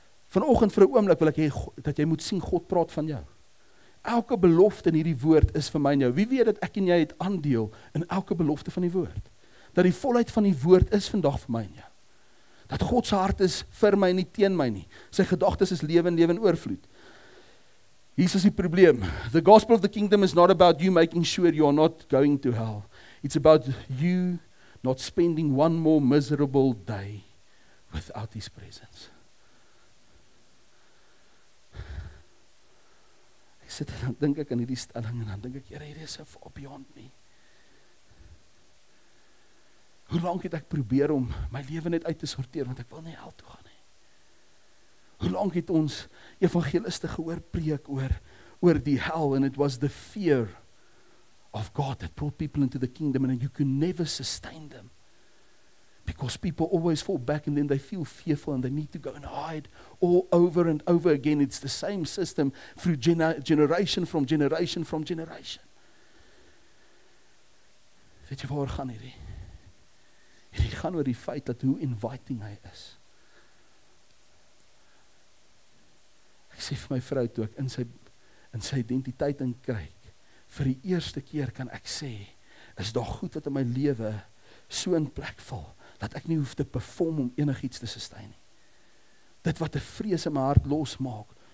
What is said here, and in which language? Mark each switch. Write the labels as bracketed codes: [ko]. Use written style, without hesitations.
[af] Vanoggend vir 'n oomblik wil ek hê dat jy moet sien God praat van jou. Elke belofte in hierdie woord is vir my en jou. Wie weet dat ek en jy het aandeel in elke belofte van die woord? Dat die volheid van die woord is vandag vir my en jou. Dat God se hart is vir my en nie teen my nie. Sy gedagtes is lewe en lewe in oorvloed. Jesus die probleem. [en] The gospel of the kingdom is not about you making sure you are not going to hell. It's about you not spending one more miserable day without his presence. [af] Ek sit en dan dink ek aan hierdie stelling en dan dink ek, Here, hierdie is [en] so far beyond me. [af] Hoe lank het ek probeer om my lewe net uit te sorteer, want ek wil nie hel toe gaan nie. Hoe lank het ons evangeliste gehoor preek oor die hel, [en] and it was the fear of God that brought people into the kingdom, and you could never sustain them. Because people always fall back, and then they feel fearful, and they need to go and hide all over and over again. It's the same system through generation from generation from generation. [af] Weet jy waar gaan hierdie? Hierdie gaan oor die feit dat hoe inviting hy is. Ek sê vir my vrou toe ek in sy identiteit inkryk, vir die eerste keer kan ek sê, is daar goed wat in my lewe so in plek val, dat ek nie hoef te perform om enigiets te sustain nie. Dit wat 'n vrees in my hart losmaak,